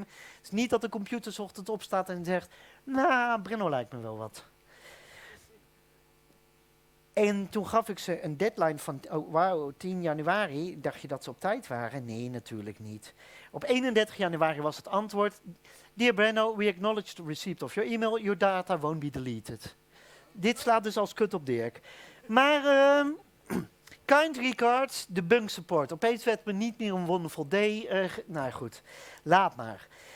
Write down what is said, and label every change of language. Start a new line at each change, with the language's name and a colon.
Dutch: Het is niet dat de computer 's ochtends opstaat en zegt, Brenno lijkt me wel wat. En toen gaf ik ze een deadline van 10 januari. Dacht je dat ze op tijd waren? Nee, natuurlijk niet. Op 31 januari was het antwoord.
English: Dear Brenno, we acknowledge the receipt of your email. Your data won't be deleted.
Dutch: Dit slaat dus als kut op Dirk. Maar
English: kind regards,
Dutch: de bunk support. Opeens werd me niet meer een
English: wonderful day.
Dutch: Goed, laat maar.